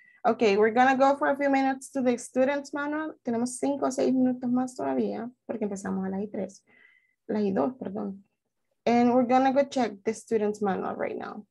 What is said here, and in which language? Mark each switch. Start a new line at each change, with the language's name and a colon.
English: Okay, we're going to go for a few minutes to the student's manual.
Spanish: Tenemos 5 o 6 minutos más todavía porque empezamos a las 3. Las 2, perdón.
English: And we're going to go check the student's manual right now.